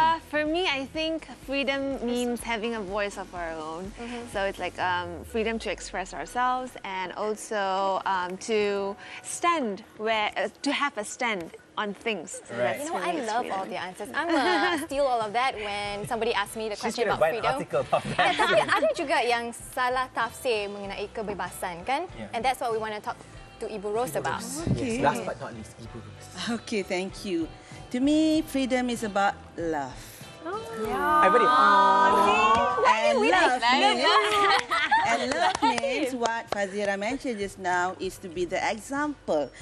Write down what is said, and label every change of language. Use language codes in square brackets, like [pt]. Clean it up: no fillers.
[en] For me, I think freedom means having a voice of our own. Mm-hmm. So it's like freedom to express ourselves and also to stand where to have a stand on things. Right. You know, really I love freedom. All the answers. I'm going to steal all of that when somebody asks me the she's question about freedom. She's going to write an article about that. [ms] Ada juga yang salah tafsir mengenai kebebasan, kan? [en] Yeah. And that's what we want to talk to Ibu Rose about. Okay. Yes. Last but not least, Ibu Rose. Okay, thank you. To me, freedom is about love. Oh. Yeah. Everybody. Oh. And, love like means, and love means what Fazira mentioned just now is to be the example.